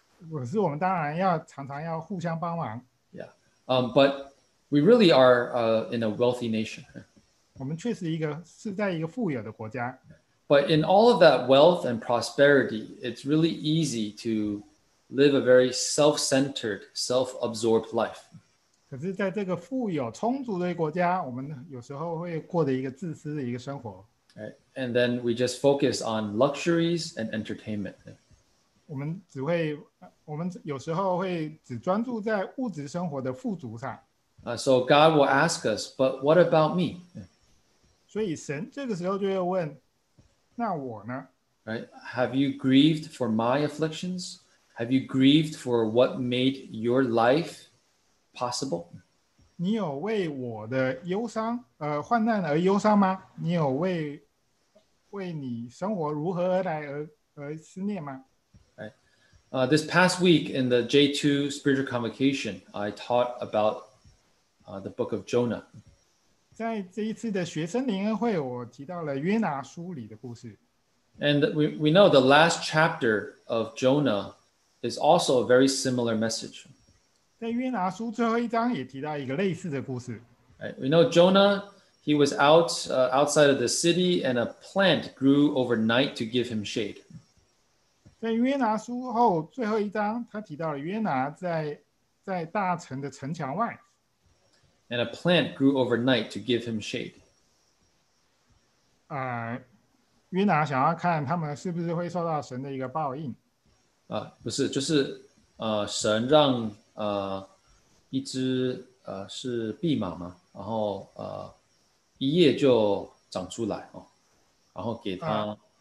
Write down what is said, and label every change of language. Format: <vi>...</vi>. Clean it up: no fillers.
<zh>可是我们当然要常常要互相帮忙。</zh> <en>Yeah, but we really are in a wealthy nation.</en> <zh>我们确实是在一个富有的国家。</zh> <en>But But in all of that wealth and prosperity, it's really easy to live a very self-centered, self-absorbed life.</en> <zh>可是在这个富有充足的国家，我们有时候会过的一个自私的一个生活。</zh> <en>And then we just focus on luxuries and entertainment.</en> <zh>我们有时候会只专注在物质生活的富足上。</zh> <en>So God will ask us, but what about me?</en> <zh>所以神这个时候就会问，那我呢？</zh> <en>Right? Have you grieved for my afflictions? Have you grieved for what made your life possible?</en> <zh>你有为我的忧伤，患难而忧伤吗？你有为你生活如何而来而思念吗？</zh> <en>This past week in the J2 Spiritual Convocation, I taught about the book of Jonah.</en> <zh>在这一次的学生灵恩会，我提到了约拿书里的故事。</zh> <en>And we know the last chapter of Jonah is also a very similar message.</en> <zh>在约拿书最后一章也提到一个类似的故事。</zh> <en>Right. We know Jonah, he was out, outside of the city, and a plant grew overnight to give him shade.</en> <zh>在约拿书后最后一章，他提到了约拿在大城的城墙外。</zh> <en>And a plant grew overnight to give him shade.</en> <zh>约拿想要看他们是不是会受到神的一个报应。不是，就是神让一只是蓖麻嘛，然后一夜就长出来哦，然后给他。</zh>